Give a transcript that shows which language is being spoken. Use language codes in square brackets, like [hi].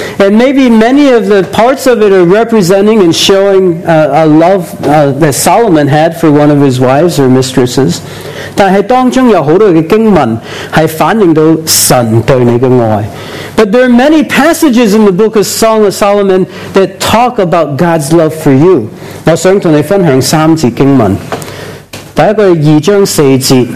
[en] And maybe many of the parts of it are representing and showing a love that Solomon had for one of his wives or mistresses. [zh] 但是当中有很多的经文是反映到神对你的爱。 [en] But there are many passages in the book of Song of Solomon that talk about God's love for you. [zh] 我想跟你分享三节经文。第一个是二章四节。